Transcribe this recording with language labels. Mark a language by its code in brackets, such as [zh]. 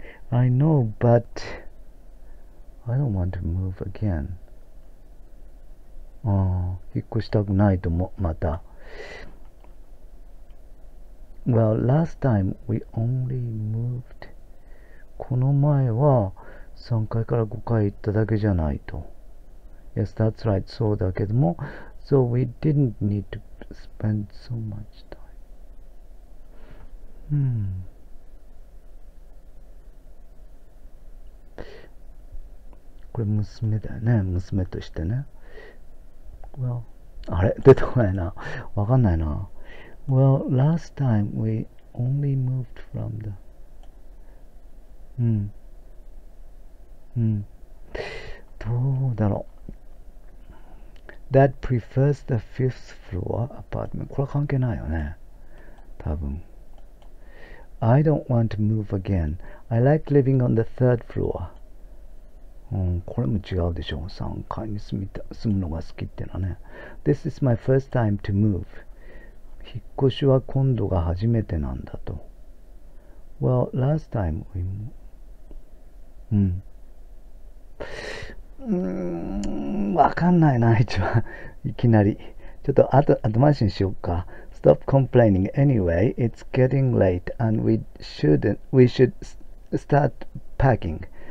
[en] I know, but I don't want to move again. [ja] 引っ越したくないと思う、また。 [en] Well, last time we only moved. [ja] この前は3階から5階行っただけじゃないと。 [en] Yes, that's right. [ja] そうだけども。 [en] So we didn't need to spend so much time. [ja] これ娘だよね。娘としてね。Well, あれ？出てこないな。わかんないな。 [en] Well, last time we only moved from the... [ja] どうだろう。 [en] That prefers the fifth floor apartment. [ja] これは関係ないよね。多分。 [en] I don't want to move again. I like living on the third floor. [ja] これも違うでしょう。 3階に住むのが好きっていうのはね。 [en] This is my first time to move. [ja] 引っ越しは今度が初めてなんだと。 [en] Well, last time we moved. [ja] わかんないな、一番。いきなり。ちょっとアドバイスにしようか。 [en] Stop complaining anyway. It's getting late and we should start packing.